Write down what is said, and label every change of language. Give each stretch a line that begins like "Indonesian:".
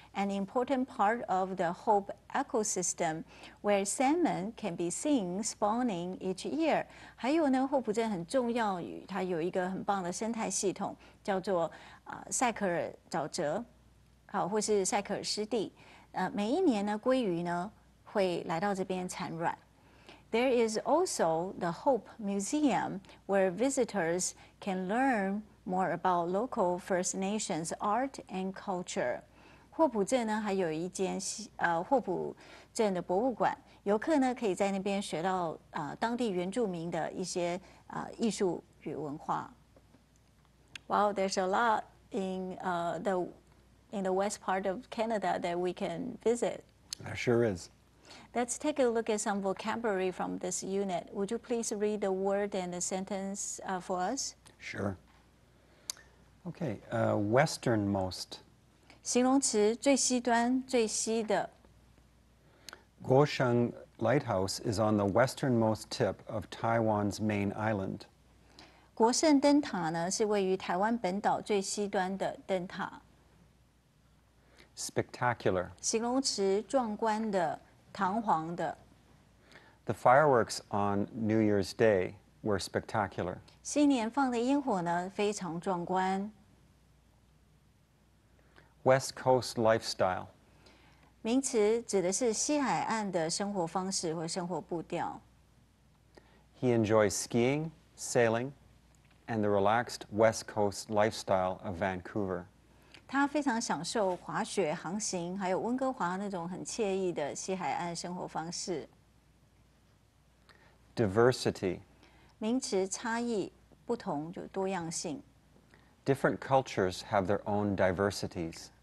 English: An important part of the Hope ecosystem, where salmon can be seen spawning each year.
Chinese: 还有呢，霍普镇很重要，它有一个很棒的生态系统，叫做塞克尔沼泽，好，或是塞克尔湿地。每一年呢，鲑鱼呢会来到这边产卵。
English: There is also the Hope Museum, where visitors can learn more about local First Nations art and culture.
Chinese: 霍普镇呢还有一间霍普镇的博物馆，游客呢可以在那边学到当地原住民的一些艺术与文化。
English: Well, there's a lot in the west part of Canada that we can visit. There sure is. Let's take a look at some vocabulary from this unit. Would you please read the word and the sentence for us? Sure. Okay, westernmost.
Chinese: 形容词最西端最西的
English: Guosheng Lighthouse is on the westernmost tip of Taiwan's main island.
Chinese: 国盛灯塔呢是位于台湾本岛最西端的灯塔
English: Spectacular
Chinese: 形容词壮观的堂皇的
English: The fireworks on New Year's Day were spectacular.
Chinese: 新年放的烟火呢，非常壮观。
English: West Coast lifestyle.
Chinese: 名词指的是西海岸的生活方式或生活步调。
English: He enjoys skiing, sailing, and the relaxed West Coast lifestyle of Vancouver.
Chinese: 他非常享受滑雪、航行，还有温哥华那种很惬意的西海岸生活方式。
English: Diversity.
Chinese: 名词差异、不同就多样性。
English: Different cultures have their own diversities.